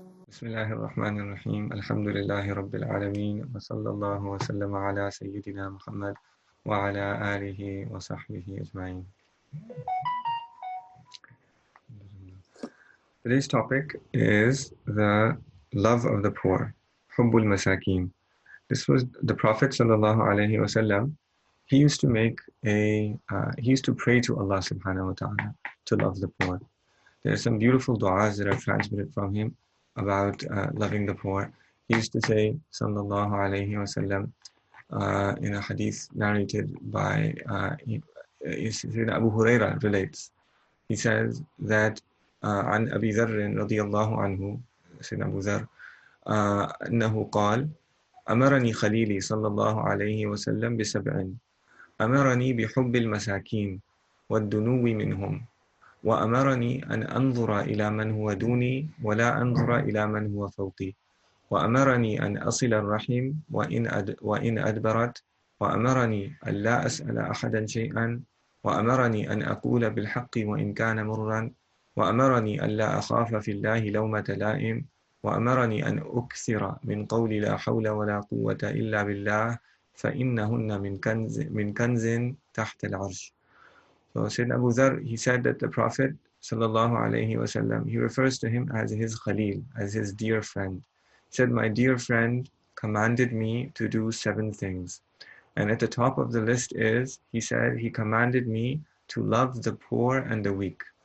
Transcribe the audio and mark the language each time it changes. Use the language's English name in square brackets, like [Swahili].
[Arabic] بسم الله الرحمن الرحيم، الحمد لله رب العالمين، وصلى الله وسلم على سيدنا محمد وعلى آله وصحبه أجمعين. [English] Today's topic is the love of the poor, [Arabic] حب المساكين. [English] This was the Prophet sallallahu alayhi wa sallam. He used to make a he used to pray to Allah subhanahu wa ta'ala to love the poor. There are some beautiful du'as that are transmitted from him about loving the poor. He used to say sallallahu alayhi wa sallam in a hadith narrated by Sayyidina Abu Huraira relates. He says that [Arabic] عن أبي ذر رضي الله عنه سيدنا أبو ذر أنه قال أمرني خليلي صلى الله عليه وسلم بسبع: أمرني بحب المساكين والدنو منهم، وأمرني أن أنظر إلى من هو دوني ولا أنظر إلى من هو فوقي، وأمرني أن أصل الرحم وإن أدبرت، وأمرني أن لا أسأل أحدا شيئا، وأمرني أن أقول بالحق وإن كان مرا، وأمرني أن لا أخاف في الله لومة لائم، وأمرني أن أكثر من قول لا حول ولا قوة إلا بالله فإنهن من كنز تحت العرش. [English] So Sayyidina Abu Dharr, he said that the Prophet sallallahu alayhi wa sallam, he refers to him as his khalil, as his dear friend. He said, my dear friend commanded me to do seven things. And at the top of the list is, he said, he commanded me to love the poor and the weak.